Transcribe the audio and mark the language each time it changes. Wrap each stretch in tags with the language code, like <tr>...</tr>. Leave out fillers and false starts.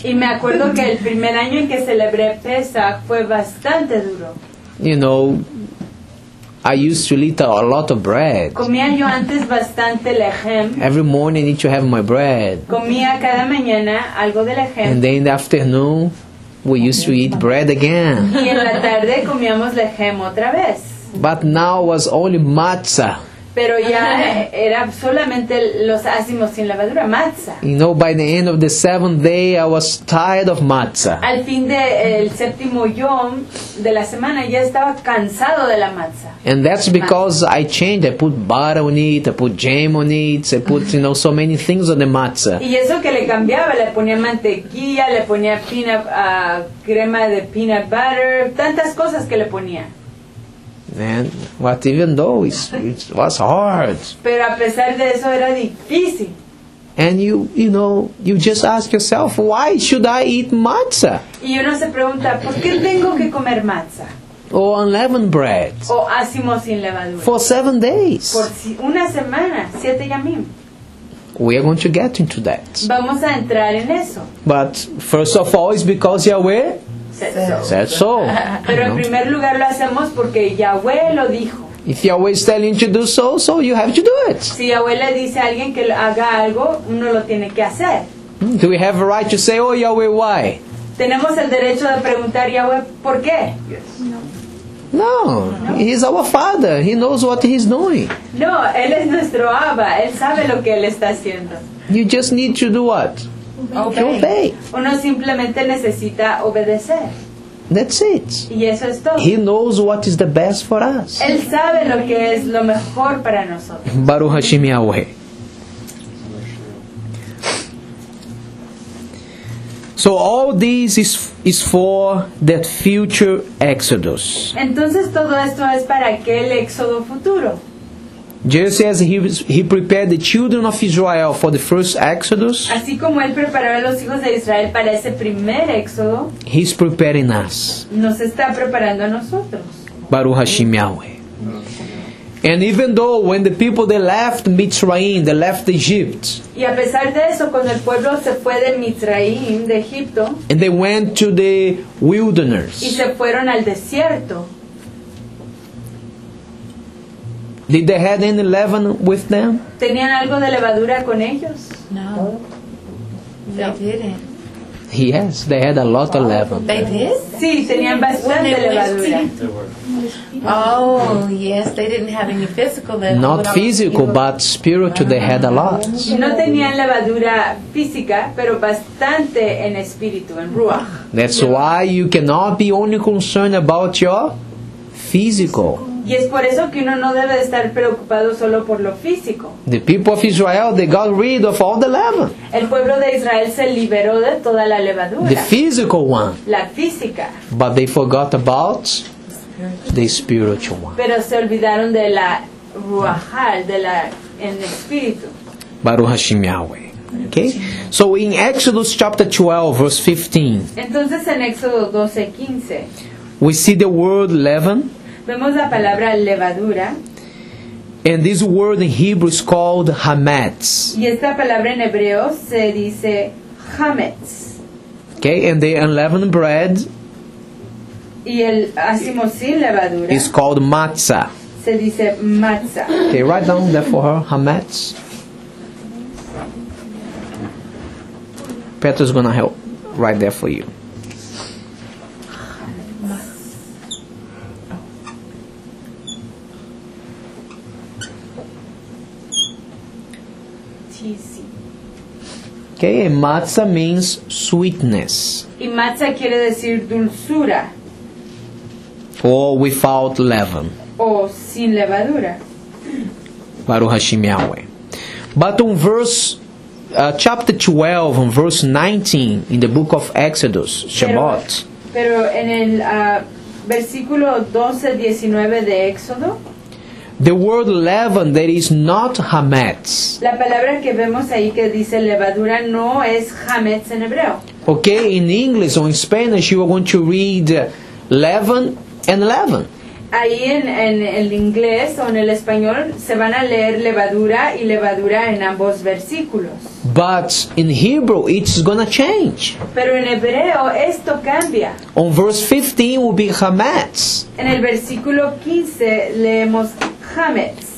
<es>Y me acuerdo que el primer año en que celebré Pesach fue bastante duro.</es> <en>You know, I used to eat a lot of bread.</en> <es>Comía yo antes bastante lechem.</es> <en>Every morning I need to have my bread.</en> <es>Comía cada mañana algo de lechem.</es> <en>And then in the afternoon, we used to eat bread again.</en> <es>Y en la tarde comíamos lechem otra vez.</es> <en>But now it was only matzah.</en> <es>Pero ya era solamente los ácimos sin levadura, matzah.</es> <en>You know, by the end of the 7th day, I was tired of matzah.</en> <es>Al fin del séptimo yom de la semana, ya estaba cansado de la matzah.</es> <en>And that's because I changed. I put butter on it, I put jam on it, I put, you know, so many things on the matzah.</en> <es>Y eso que le cambiaba, le ponía mantequilla, le ponía crema de peanut butter, tantas cosas que le ponía.</es> <en>And what even though it was hard.</en> <es>Pero a pesar de eso era difícil.</es> <en>And you know, you just ask yourself, why should I eat matzah?</en> <es>Y uno se pregunta, ¿por qué tengo que comer matzah?</es> <en>Or unleavened bread.</en> <es>O ácimo sin levadura.</es> <en>For 7 days.</en> <es>Por una semana, 7 yamim.</es> <en>We are going to get into that.</en> <es>Vamos a entrar en eso.</es> <en>But first of all, it's because Yahweh said so.</en> <es>Pero en primer lugar lo hacemos porque Yahweh lo dijo.</es> <en>If Yahweh is telling you to do so, you have to do it.</en> <es>Si Yahweh le dice a alguien que haga algo, uno lo tiene que hacer.</es> <en>Do we have a right to say, oh Yahweh, why?</en> <es>¿Tenemos el derecho de preguntar Yahweh por qué?</es> <en>Yes. No. He's our father. He knows what he's doing.</en> <es>No, él es nuestro Abba. Él sabe lo que él está haciendo.</es> <en>You just need to do what? Obey.</en> <es>Uno simplemente necesita obedecer.</es> <en>That's it.</en> <es>Y eso es todo.</es> <en>He knows what is the best for us.</en> <es>Él sabe lo que es lo mejor para nosotros.</es> <he>Baruch Hashem Yahweh.</he> <en>So all this is for that future Exodus.</en> <es>Entonces todo esto es para aquel éxodo futuro.</es> <en>Jesus says he prepared the children of Israel for the first Exodus.</en> <es>Así como él preparó a los hijos de Israel para ese primer éxodo.</es> <en>He's preparing us.</en> <es>Nos está preparando a nosotros.</es> <he>Baruch Hashem Yahweh.</he> <en>And even though when the people they left Mitzrayim, they left Egypt.</en> <es>Y a pesar de eso, cuando el pueblo se fue de Mitzrayim, de Egipto.</es> <en>And they went to the wilderness.</en> <es>Y se fueron al desierto.</es> <en>Did they have any leaven with them?</en> <es>¿Tenían algo de levadura con ellos?</es> <en>No. They didn't. Yes, they had a lot of leaven. They did?</en> <es>Sí, tenían bastante levadura.</es> <en>Oh, yes, they didn't have any physical leaven. Not physical, but spiritual, they had a lot.</en> <es>No tenían levadura física, pero bastante en espíritu, en ruach.</es> <en>That's why you cannot be only concerned about your physical.</en> <es>Y es por eso que uno no debe estar preocupado solo por lo físico.</es> <en>The people of Israel, they got rid of all the leaven.</en> <es>El pueblo de Israel se liberó de toda la levadura.</es> <en>The physical one.</en> <es>La física.</es> <en>But they forgot about the spiritual one.</en> <es>Pero se olvidaron de la ruajal, de la en espíritu.</es> <he>Baruch Hashem Yahweh.</he> <en>Okay? So in Exodus chapter 12, verse 15.</en> <es>Entonces en Éxodo 12, 15.</es> <en>We see the word leaven.</en> <es>Vemos la palabra levadura.</es> <en>And this word in Hebrew is called hametz.</en> <es>Y esta palabra en hebreo se dice hametz.</es> <en>Okay, and the unleavened bread.</en> <es>Y el ácimo sin levadura.</es> <en>Is called matzah.</en> <es>Se dice matzah.</es> <en>Okay, write down that for her, hametz. Petra's gonna help write there for you. Okay, and matzah means sweetness.</en> <es>Y matzah quiere decir dulzura.</es> <en>Or without leaven.</en> <es>O sin levadura.</es> <he>Baruch Hashem Yahweh.</he> <en>But on verse, chapter 12, on verse 19, in the book of Exodus, Shabbat.</en> <es>Pero en el versículo 12-19 de Éxodo.</es> <en>The word leaven that is not hametz.</en> <es>La palabra que vemos ahí que dice levadura no es hametz en hebreo.</es> <en>Okay, in English or in Spanish you are going to read leaven and leaven.</en> <es>Ahí en el inglés o en el español se van a leer levadura y levadura en ambos versículos.</es> <en>But in Hebrew it's going to change.</en> <es>Pero en hebreo esto cambia.</es> <en>On verse 15 will be hametz.</en> <es>En el versículo 15 leemos hametz.</es>